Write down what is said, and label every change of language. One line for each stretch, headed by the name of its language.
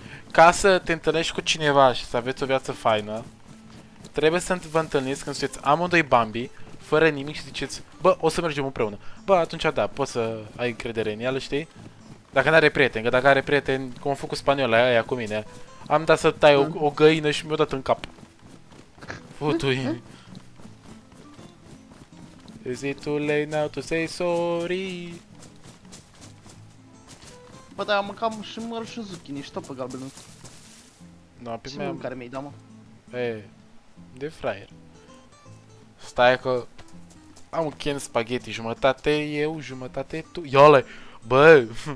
Romanian: Ca să te întâlnești cu cineva și să aveți o viață faină, trebuie să vă întâlniți când sunteți amândoi Bambi, fără nimic și ziceți, bă, o să mergem împreună. Bă, atunci da, poți să ai încredere în el, știi? Dacă nu are prieteni, că dacă are prieteni, cum a făcut spaniola aia cu mine, am dat să tai o găină și mi-o dat în cap. Putui.
English: Is it too late now to say sorry?
Romanian: Bă, dar am mâncat și măr și zucchini și tot pe galben. Nu, no, pe ce mâncare mi-ai dat, mă? E, de fraier. Stai că... am un can spaghetti, jumătate eu, jumătate tu. Iole! Bă!